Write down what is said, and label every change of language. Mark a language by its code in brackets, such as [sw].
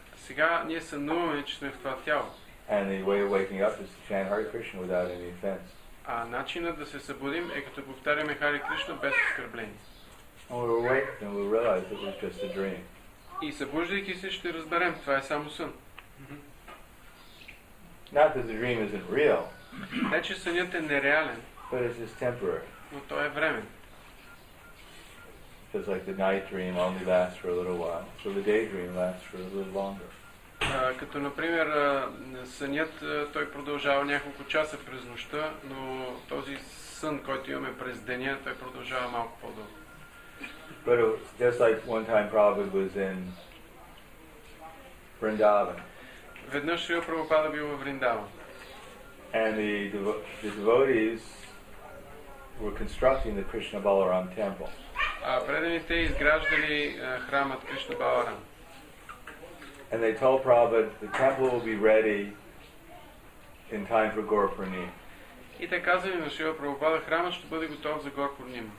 [bg] Сега ние сънуваме, че сме в това тяло. [en] And the way of waking up is to chant Hare Krishna without any offense. [bg] А начинът да се събудим е като повтаряме Хари Кришна без оскърбление. [en] When we're awake, then we'll realize it was just a dream. [bg] И събуждайки се, ще разберем, това е само сън. [en] Not that the dream isn't real. [bg] Не, че сънят е нереален. [en] But it's just temporary. [bg] Но то е времен. [en] Because like the night dream only lasts for a little while, so the day dream lasts for a little longer. [bg] Като например сънят, той продължава няколко часа през нощта, но този сън, който имаме през деня, той продължава малко по-дълго. [en] But just like one time Prabhupada was in Vrindavan. [bg] Веднъж Шрила Прабхупада бил в Вриндаван. [en] And the devotees were constructing the Krishna Balaram temple. [bg] Предените изграждали храмът Кришна Баларам. [en] And they told Prabhupada the temple will be ready in time for Gaur Purnima. [bg] И те казали на Шрила Прабхупада, храмът ще бъде готов за Гаур Пурнима.